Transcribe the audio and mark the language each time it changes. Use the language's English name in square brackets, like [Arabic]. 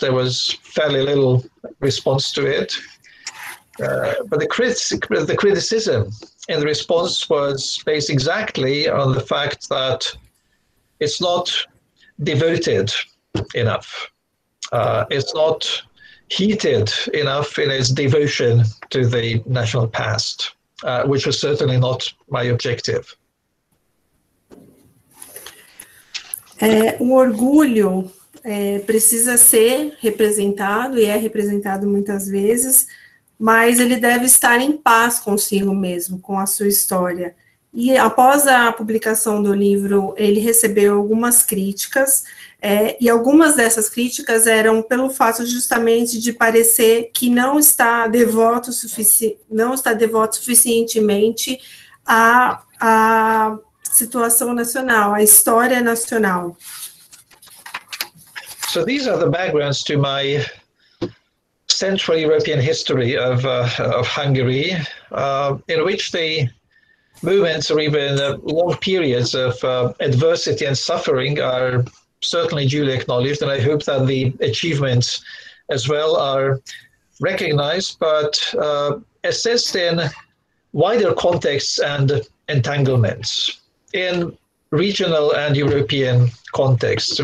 [English] There was fairly little response to it. But the criticism in the response was based exactly on the fact that it's not devoted enough. It's not heated enough in its devotion to the national past, which was certainly not my objective. [Portuguese] O orgulho precisa ser representado e é representado muitas vezes, mas ele deve estar em paz consigo mesmo, com a sua história. E após a publicação do livro, ele recebeu algumas críticas, e algumas dessas críticas eram pelo fato justamente de parecer que não está devoto suficientemente à situação nacional, à história nacional. [English] So these are the backgrounds to my Central European history of Hungary, in which the movements or even long periods of adversity and suffering are certainly duly acknowledged, and I hope that the achievements as well are recognized, but assessed in wider contexts and entanglements, in regional and European contexts.